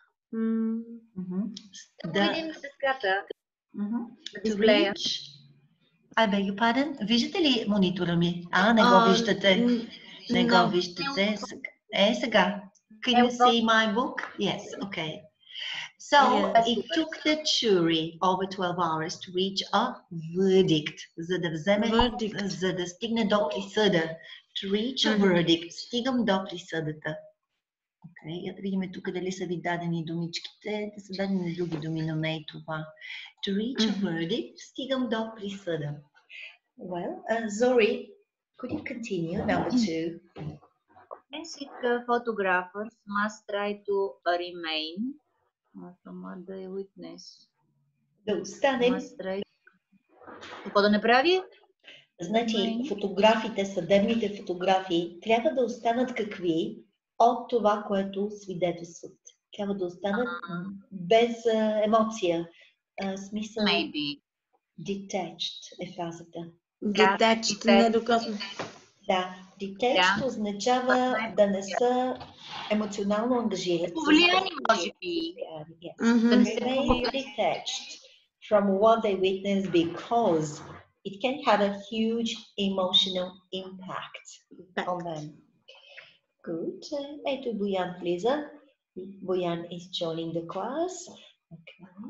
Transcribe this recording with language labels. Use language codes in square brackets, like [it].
[en] I beg your pardon. [bg] Viждате ли монитора ми? А, не го виждате. Не го виждате. Е, сега. [en] Can you see my book? Yes, okay. So, yes. It took the jury over 12 hours to reach a verdict. [bg] За да вземе, за да стигне до присъда. [en] To reach a verdict. [bg] Стигам до присъдата. Okay, я да видим тук дали са ви дадени думичките, да са дадени на други думи, но не и това. [en] To reach a verdict, [bg] стигам до присъда. [en] Well, Zori, could you continue, number 2? Classic photographers must try to remain from the witness. [bg] Да останем. Какво да не прави? Значи, фотографите, съдебните фотографии, трябва да останат какви? От това, което свидетелстват. Трябва да останат без емоция. Смисъл. [en] Maybe. [bg] Detached е фазата. Detached, не докосна. Да. Detached означава да не са емоционално ангажирани. Повлияни, може би. [en] They may be detached from what they witness because it can have a huge emotional impact on them. Good. [bg] Ето Bojan влиза. [en] Bojan is joining the class. Okay.